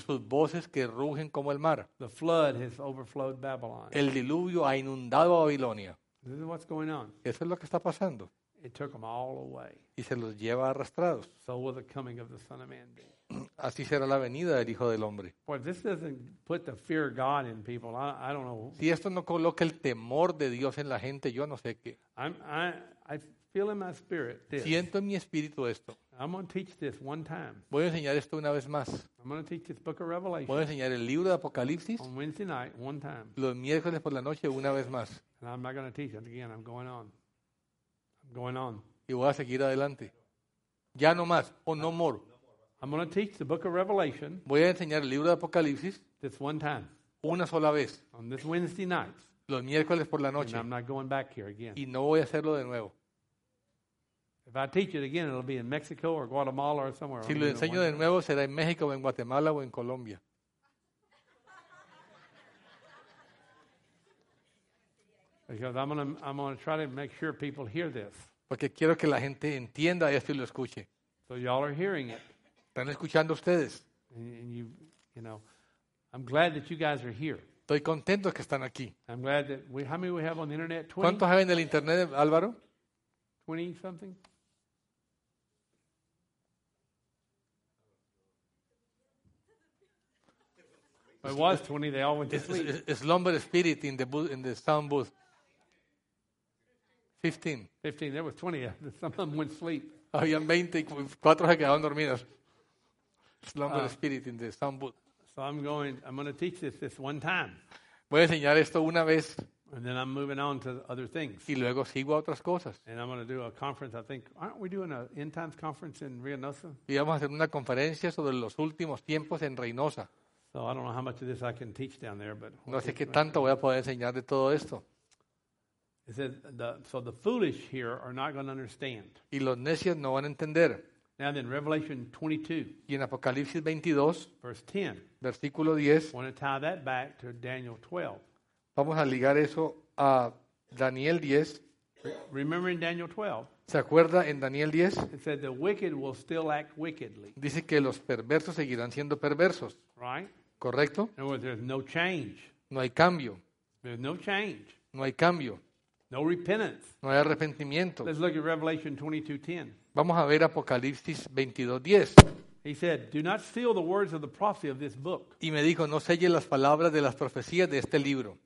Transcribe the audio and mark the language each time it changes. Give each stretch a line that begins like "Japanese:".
Spanish: Sus voces que rugen como el mar.
English: The flood has overflowed Babylon.
Spanish: El diluvio ha inundado a Babilonia.
English: This is what's going on.
Spanish: Eso es lo que está pasando.
English: It took them all away.
Spanish: Y se los lleva arrastrados.
English: So will the coming of the Son of Man be.
Spanish: Así será la venida del Hijo del Hombre.
English: Well, this doesn't put the fear of God in people. I don't know.
Spanish: Si esto no coloca el temor de Dios en la gente, yo no sé qué.
English: I feel in my spirit this.
Spanish: Siento en mi espíritu esto.
English: I'm going to teach this one time.
Spanish: Voy a enseñar esto una vez más.
English: I'm going to teach this book of Revelation.
Spanish: Voy a enseñar el libro de Apocalipsis.
English: On Wednesday night, one time.
Spanish: Los miércoles por la noche, una vez más.
English: And I'm not going to teach it again. I'm going on. I'm going on.
Spanish: Y voy a seguir adelante. Ya no más.
English: No more. I'm going to teach the book of Revelation.
Spanish: Voy a enseñar el libro de Apocalipsis.
English: This one time.
Spanish: Una sola vez.
English: On this Wednesday night.
Spanish: Los miércoles por la noche.
English: And I'm not going back here again.
Spanish: Y no voy a hacerlo de nuevo.
English: If I teach it again, it'll be in Mexico or Guatemala or somewhere.
Spanish: Si lo enseño de nuevo, será en México, en Guatemala o en Colombia.
English: Because I'm going to try to make sure people hear this.
Spanish: Porque quiero que la gente entienda esto y lo escuche.
English: So y'all are hearing it.
Spanish: Están escuchando ustedes.
English: And you know, I'm glad that you guys are here.
Spanish: Estoy contento que están aquí.
English: I'm glad that we, how many we have on the internet? 20?
Spanish: ¿Cuántos hay en el internet, Álvaro?
English: 20 something. It was 20. They all went to sleep. It's Slumber Spirit in the booth, in the sound booth. 15. 15. There was 20. Some of them went to sleep.
Spanish: Habían 20 y 4 se quedaron dormidos.
English: Slumber Spirit in the sound booth. So I'm going to teach this one time.
Spanish: Voy a enseñar esto una vez.
English: And then I'm moving on to other things.
Spanish: Y luego sigo a otras cosas.
English: And I'm going to do a conference. I think, aren't we doing an end times conference in Reynosa?
Spanish: Y vamos a hacer una conferencia sobre los últimos tiempos en Reynosa.
English: So I don't know how much of this I can teach down there, but
Spanish: no sé qué tanto voy a poder enseñar de todo esto.
English: It says so the foolish here are not going to understand.
Spanish: Y los necios no van a entender.
English: Now then, Revelation 22.
Spanish: Y en Apocalipsis 22,
English: verse 10.
Spanish: Versículo 10.
English: I want to tie that back to Daniel 12.
Spanish: Vamos a ligar eso a Daniel 10.
English: Remember in Daniel 12.
Spanish: ¿Se acuerda en Daniel 10?
English: It said the wicked will still act wickedly.
Spanish: Dice que los perversos seguirán siendo perversos.
English: Right.
Spanish: Correcto.
English: In other words, there's no change.
Spanish: No hay cambio.
English: There's no change.
Spanish: No hay cambio.
English: No repentance.
Spanish: No hay arrepentimiento.
English: Let's look at Revelation 22:10.
Spanish: Vamos a ver Apocalipsis 22:10.
English: He said, "Do not seal the words of the prophecy of this book."
Spanish: Y me dijo, no selle las palabras de las profecías de este libro.